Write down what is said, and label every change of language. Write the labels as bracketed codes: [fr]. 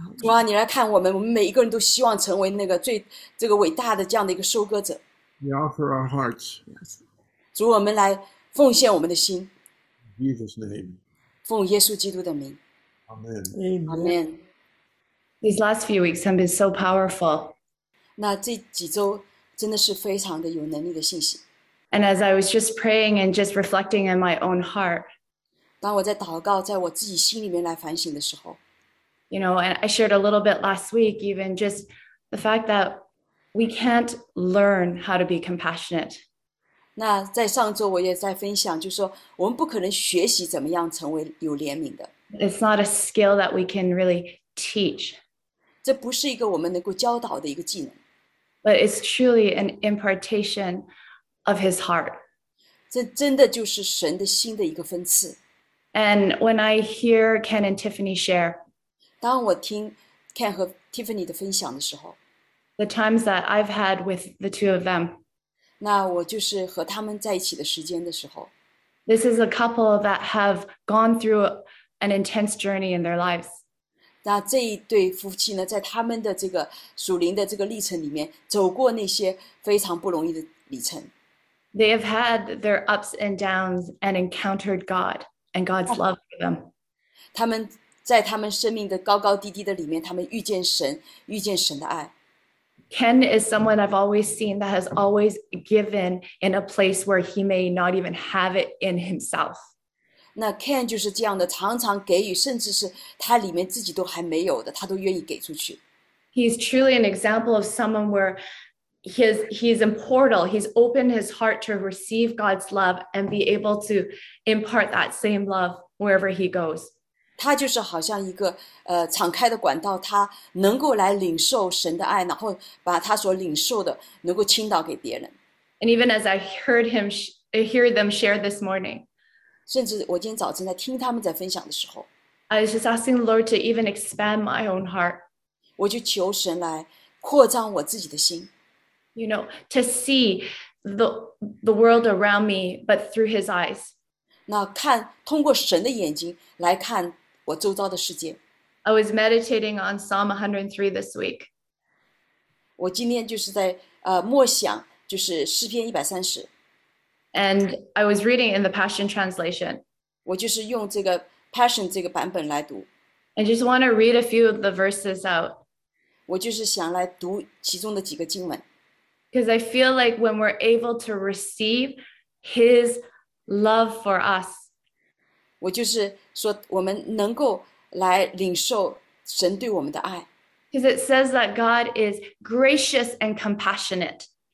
[zh] 主啊，你来看我们，我们每一个人都希望成为那个最这个伟大的这样的一个收割者。 [en] We offer our hearts. [zh] 主，我们来奉献我们的心。 [en] In Jesus' name. [zh] 奉耶稣基督的名。 [en] Amen. Amen. These last few weeks have been so powerful. [zh] 那这几周真的是非常的有能力的信息。 [en] And as I was just praying and just reflecting in my own heart. [zh] 当我在祷告，在我自己心里面来反省的时候 [en] ，You know, and I shared a little bit last week, even just the fact that we can't learn how to be compassionate. [zh] 那在上周我也在分享，就是说我们不可能学习怎么样成为有怜悯的。 [en] It's not a skill that we can really teach. [zh] 这不是一个我们能够教导的一个技能。 [en] But it's truly an impartation of his heart. [zh] 这真的就是神的心的一个分次。 [en] And when I hear Ken and Tiffany share, [zh] 当我听Ken和Tiffany的分享的时候, [en] the times that I've had with the two of them, [zh] 那我就是和他们在一起的时间的时候, [en] this is a couple that have gone through an intense journey in their lives. [zh] 那这一对夫妻呢, 在他们的这个属灵的这个历程里面, 走过那些非常不容易的历程。 [en] They have had their ups and downs and encountered God and God's love for them. [zh] 他们在他们生命的高高低低的里面, 他们遇见神, 遇见神的爱。 [en] Ken is someone I've always seen that has always given in a place where he may not even have it in himself. [zh] 那Ken就是这样的, 常常给予, 甚至是他里面自己都还没有的, 他都愿意给出去。 [en] He's truly an example of someone where he's in portal. He's opened his heart to receive God's love and be able to impart that same love wherever he goes. [zh] 他就是好像一个, 敞开的管道, 他能够来领受神的爱, 然后把他所领受的, 能够倾倒给别人。 [en] And even as I heard him, hear them share this morning, [zh] 甚至我今天早晨在听他们在分享的时候, [en] I was just asking the Lord to even expand my own heart. [zh] 我就求神来扩张我自己的心。 [en] You know, to see the world around me, but through his eyes. [zh] 那看, 通过神的眼睛来看我周遭的世界。 [en] I was meditating on Psalm 103 this week. [zh] 我今天就是在, 默想, 就是诗篇130。 [en] And I was reading in the Passion Translation. [zh] 我就是用这个Passion这个版本来读。 [en] I just want to read a few of the verses out. [zh] 我就是想来读其中的几个经文。 [en] Because I feel like when we're able to receive his love for us, [zh] 我就是说我们能够来领受神对我们的爱。 [en] Because it says that God is gracious and compassionate.